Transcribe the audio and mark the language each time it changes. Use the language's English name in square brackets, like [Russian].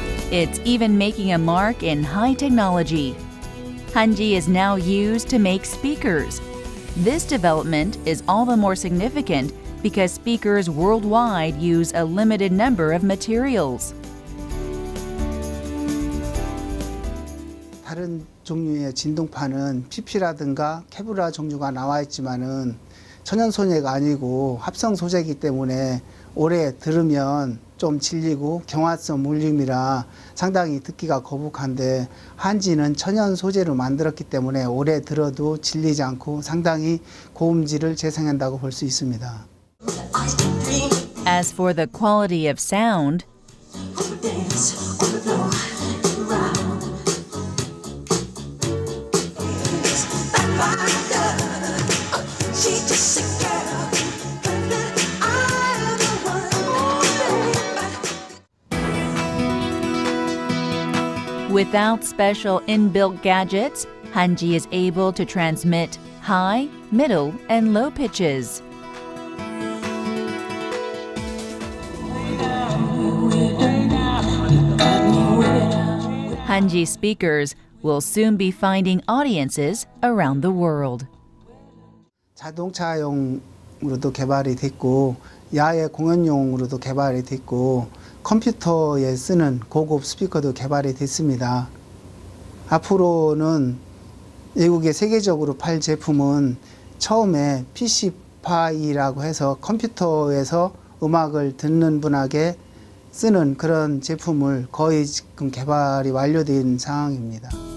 [English] It's even making a mark in high technology. Hanji is now used to make speakers. This development is all the more significant because speakers worldwide use a limited number of materials. [Korean] 다른 종류의 진동판은 PP라든가 케브라 종류가 나와 있지만은 천연 소재가 아니고 합성 소재이기 때문에 오래 들으면 좀 질리고 경화성 물림이라 상당히 듣기가 거북한데 한지는 천연 소재로 만들었기 때문에 오래 들어도 질리지 않고 상당히 고음질을 재생한다고 볼 수 있습니다. [English] As for the quality of sound, without special inbuilt gadgets, Hanji is able to transmit high, middle, and low pitches. Hanji speakers will soon be finding audiences around the world. [Korean] 자동차용으로도 개발이 됐고 야외 공연용으로도 개발이 됐고 컴퓨터에 쓰는 고급 스피커도 개발이 됐습니다. 앞으로는 미국의 세계적으로 팔 제품은 처음에 PC파이라고 해서 컴퓨터에서 음악을 듣는 분에게 쓰는 그런 제품을 거의 지금 개발이 완료된 상황입니다.